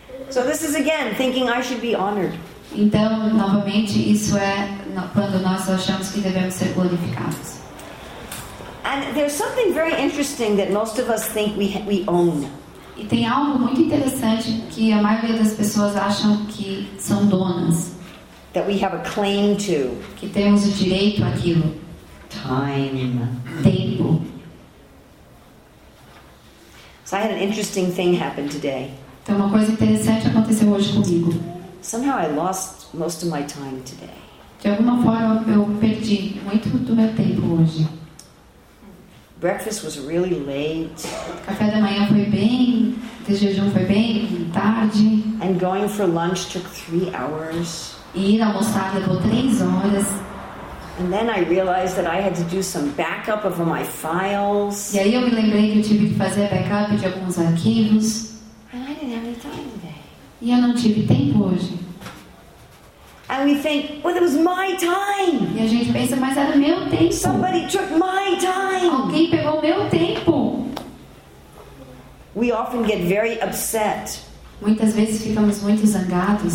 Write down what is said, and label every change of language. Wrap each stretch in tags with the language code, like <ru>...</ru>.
<en>So this is again thinking I should be honored.</en> <pt>Então, novamente, isso é quando nós achamos que devemos ser glorificados.</pt> <en>And there's something very interesting that most of us think we own.</en> <pt>E tem algo muito interessante que a maioria das pessoas acham que são donas.</pt> <en>That we have a claim to.</en> <pt>Que temos o direito àquilo.</pt> <en>Time.</en> <pt>Tempo.</pt> <en>So I had an interesting thing happen today.</en> <pt>Então uma coisa interessante aconteceu hoje comigo.</pt> <en>Somehow I lost most of my time today.</en> <pt>De alguma forma eu perdi muito do meu tempo hoje.</pt> <en>Breakfast was really late.</en> <pt>Café da manhã foi bem, de jejum foi bem tarde.</pt> <en>And going for lunch took 3 hours.</en> <pt>E ir almoçar levou 3 horas.</pt> <en>And then I realized that I had to do some backup of my files.</en> <pt>E aí eu me lembrei que eu tive que fazer backup de alguns arquivos.</pt> <en>And I didn't have any time today.</en> <pt>E eu não tive tempo hoje.</pt> <en>And we think, well, it was my time.</en> <pt>E a gente pensa, mas era meu tempo.</pt> <en>Somebody took my time.</en> <pt>Alguém pegou meu tempo.</pt> <en>We often get very upset.</en> <pt>Muitas vezes ficamos muito zangados.</pt>